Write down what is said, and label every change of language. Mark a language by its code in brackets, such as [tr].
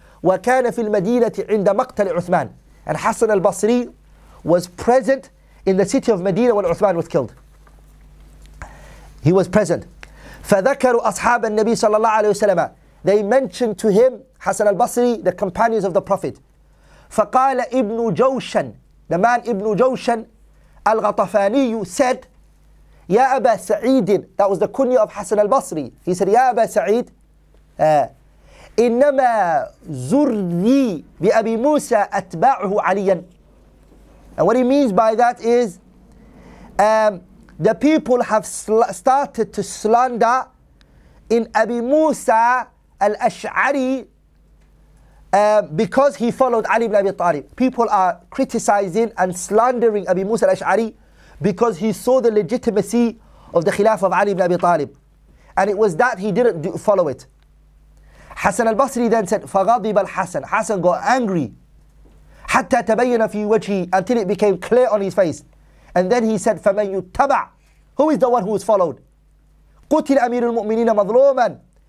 [ar] وكان في المدينة عند مقتل عثمان. [en] And Hassan al-Basri was present in the city of Medina when Uthman was killed. He was present. [ar] فذكروا أصحاب النبي صلى الله عليه وسلم. [en] They mentioned to him, Hassan al-Basri, the companions of the Prophet. فقال ابن جوشن, the man ابن جوشن الغطفاني said, يا أبا سعيد, that was the kunya of Hassan al-Basri. [ar] He said, يا أبا سعيد, إنما زرني بأبي موسى أتباعه عليا. [en] And what he means by that is, the people have started to slander in Abi Musa al-Ash'ari because he followed Ali ibn Abi Talib. People are criticizing and slandering Abi Musa al-Ash'ari because he saw the legitimacy of the Khilafah of Ali ibn Abi Talib. And it was that he didn't follow it. Hassan al-Basri then said, فغضب الحسن. Hassan got angry. حتى تبين في وجهي, until it became clear on his face. And then he said, فمن يتبع, who is the one who is followed? [ar] قتل أمير المؤمنين مظلوما.